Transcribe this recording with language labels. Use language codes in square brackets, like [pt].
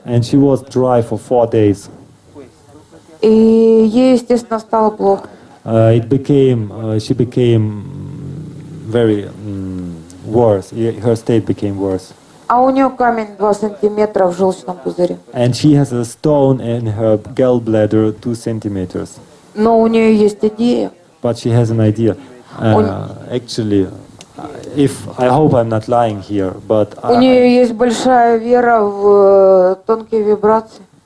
[en] And she was dry for 4 days. [ru] И ей, естественно, стало плохо. [en] She became very worse. Her state became worse. [ru] А у нее камень 2 сантиметра в желчном пузыре. [en] And she has a stone in her gallbladder 2 centimeters. [ru] Но у нее есть идея. [en] But she has an idea. Actually, if I hope I'm not lying here, but [ru] у нее есть большая вера в тонкие вибрации.